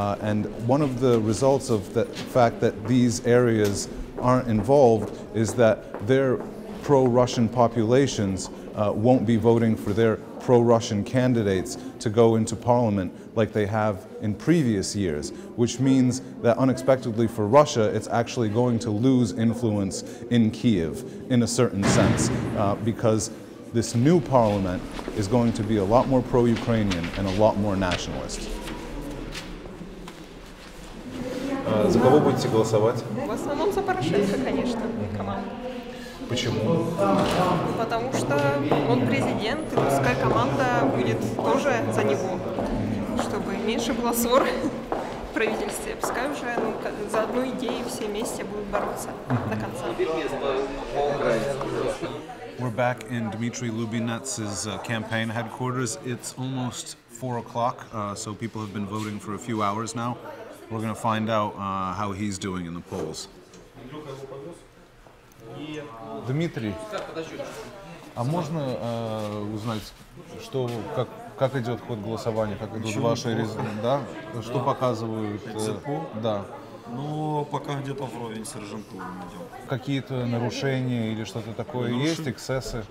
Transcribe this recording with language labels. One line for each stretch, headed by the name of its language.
English: And one of the results of the fact that these areas aren't involved is that their pro-Russian populations won't be voting for their pro-Russian candidates to go into parliament like they have in previous years, which means that unexpectedly for Russia, it's actually going to lose influence in Kyiv in a certain sense, because this new parliament is going to be a lot more pro-Ukrainian and a lot more nationalist.
Russian: За кого будете голосовать? В основном за Порошенко, конечно, команда. Почему? Потому что он президент, и русская команда будет тоже за него, чтобы меньше было ссор в правительстве. Пускай уже за одну идею все вместе будут бороться до конца.
English: We're back in Dmitry Lubinets' campaign headquarters. It's almost 4 o'clock, so people have been voting for a few hours now. We're going to find out how he's doing in the polls.
Russian: Дмитрий, а можно узнать, что, как идет ход голосования, как идут ваши результаты, да? Что показывают? Да. Ну, пока где-то вровень с Рыженковым идем. Какие-то нарушения или что-то такое есть, эксцессы?